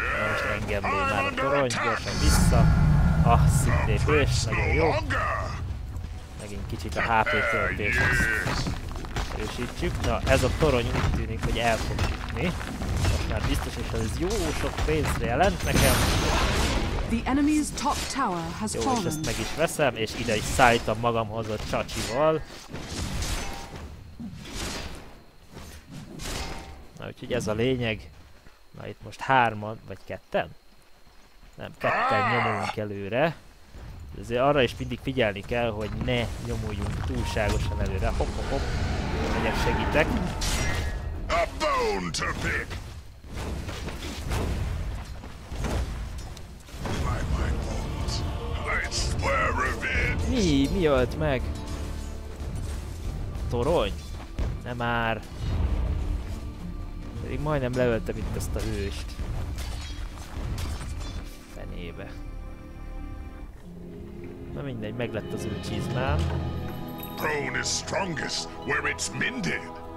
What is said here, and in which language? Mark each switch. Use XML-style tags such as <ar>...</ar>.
<hu>Most engem lé már a torony, gyorsan vissza. Ah, szintén és nagyon jó. Megint kicsit a HP töltéshez erősítjük. Na, ez a torony úgy tűnik, hogy el fog jutni. Most már biztos, és ez jó sok pénzre jelent nekem.</hu> <en>The enemy's top tower has fallen.</en> <hu>Jó, és ezt meg is veszem, és ide is szállítom magamhoz a csacsival. Na, úgyhogy ez a lényeg. Na, itt most hárman, vagy ketten? Nem, ketten nyomulunk előre. Ezért arra is mindig figyelni kell, hogy ne nyomuljunk túlságosan előre. Hopp, hopp, hopp. Jó, megyek, segítek.</hu> <en>A bone to pick. By my bones, I swear revenge.</en> <hu>Mi ölt meg? Torony? Nem már. Pedig majdnem leöltem itt ezt a hőst. Be. Na mindegy, meglett az ő csizmám.</hu> <en>Prone is strongest where it's mended.</en>